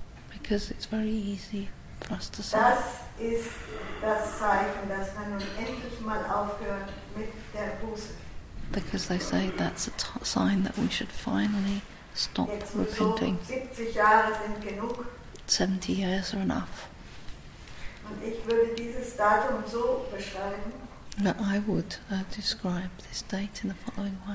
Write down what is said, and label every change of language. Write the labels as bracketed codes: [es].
[en] because it's very easy for us to say, [de] das ist das Zeichen, dass man nun endlich mal aufhört mit der Buße. [en] Because they say that's a sign that we should finally stop [de] jetzt [en] repenting. [de] So 70 Jahre sind genug. [en] 70 years are enough. [de] Und ich würde dieses Datum so beschreiben, [en] that I would describe this date in the following way.